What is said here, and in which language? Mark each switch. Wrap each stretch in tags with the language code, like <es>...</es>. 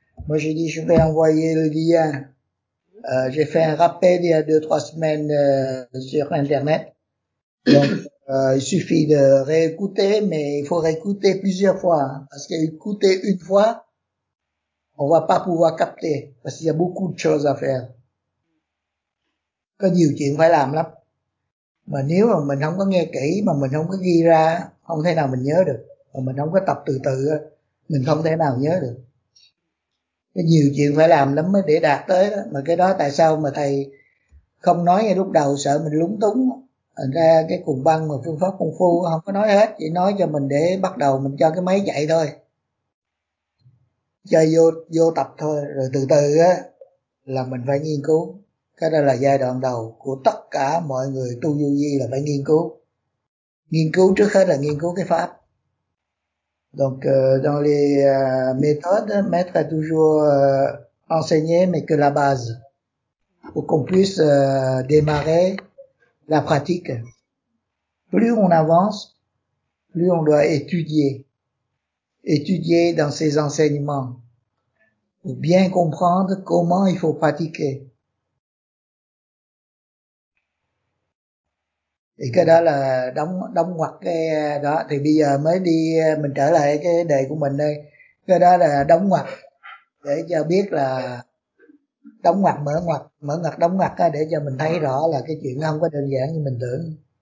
<fr>Moi, j'ai dit, je vais envoyer le lien. J'ai fait un rappel il y a 2-3 semaines sur Internet. Donc, il suffit de réécouter, mais il faut réécouter plusieurs fois. Hein, parce qu'écouter une fois, on va pas pouvoir capter. Parce qu'il y a beaucoup de choses à faire.</fr> <vi>Có nhiều chuyện phải làm lắm. Mà nếu mà mình không có nghe kỹ, mà mình không có ghi ra, không thể nào mình nhớ được. Mà mình không có tập từ từ, mình không thể nào nhớ được. Có nhiều chuyện phải làm lắm mới để đạt tới đó. Mà cái đó tại sao mà thầy không nói ngay lúc đầu, sợ mình lúng túng. Thành ra cái cùng băng mà phương pháp công phu không có nói hết, chỉ nói cho mình để bắt đầu mình cho cái máy chạy thôi. Chơi vô tập thôi, rồi từ từ á là mình phải nghiên cứu. Cái đó là giai đoạn đầu của tất cả mọi người tu du di, là phải nghiên cứu. Nghiên cứu trước hết là nghiên cứu cái pháp.</vi> <fr>Donc dans les méthodes, maître a toujours enseigné mais que la base pour qu'on puisse démarrer la pratique. Plus on avance, plus on doit étudier dans ses enseignements pour bien comprendre comment il faut pratiquer.</fr> <vi>Thì cái đó là đóng ngoặc cái đó. Thì bây giờ mới đi, mình trở lại cái đề của mình đây. Cái đó là đóng ngoặc, để cho biết là đóng ngoặc mở ngoặc, mở ngoặc đóng ngoặc, để cho mình thấy rõ là cái chuyện không có đơn giản như mình tưởng.</vi>